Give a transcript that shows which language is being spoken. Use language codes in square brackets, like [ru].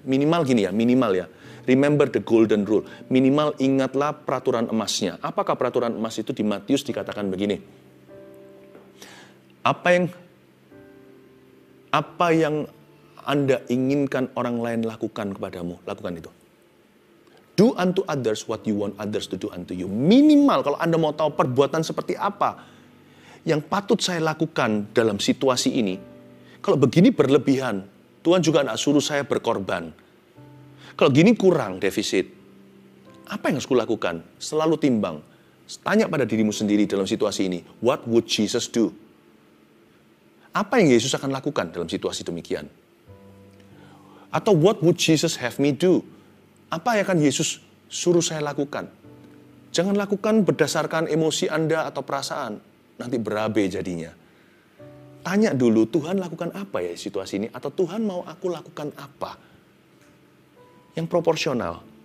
[id] Minimal gini ya, minimal ya. [en] Remember the golden rule. [id] Minimal ingatlah peraturan emasnya. Apakah peraturan emas itu di Matius dikatakan begini. Apa yang Anda inginkan orang lain lakukan kepadamu, lakukan itu. [en] Do unto others what you want others to do unto you. [id] Minimal kalau Anda mau tahu perbuatan seperti apa yang patut saya lakukan dalam situasi ini. Kalau begini berlebihan, Tuhan juga enggak suruh saya berkorban. Kalau gini kurang defisit, apa yang harus kulakukan? Selalu timbang. Tanya pada dirimu sendiri dalam situasi ini. [en] What would Jesus do? [id] Apa yang Yesus akan lakukan dalam situasi demikian? Atau [en] what would Jesus have me do? [id] Apa yang akan Yesus suruh saya lakukan? Jangan lakukan berdasarkan emosi Anda atau perasaan. Nanti berabe jadinya. Tanya dulu, Tuhan lakukan apa ya situasi ini? Atau Tuhan mau aku lakukan apa? Yang proporsional.